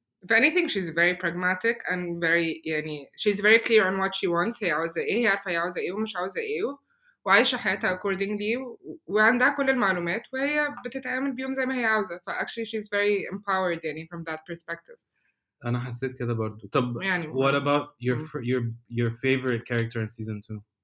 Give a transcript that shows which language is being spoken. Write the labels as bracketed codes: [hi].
[en] If anything, she's very pragmatic and very, يعني, she's very clear on what she wants. [ar] هي عاوزة إيه, هي عارفة هي عاوزة إيه ومش عاوزة إيه, وعايشة حياتها accordingly, وعندها كل المعلومات, وهي بتتعامل بيهم زي ما هي عاوزة. [en] فactually, she's very empowered, يعني, from that perspective. [ar] أنا حسيت كده برضو. [en] طب, يعني, what about your favorite character in season 2?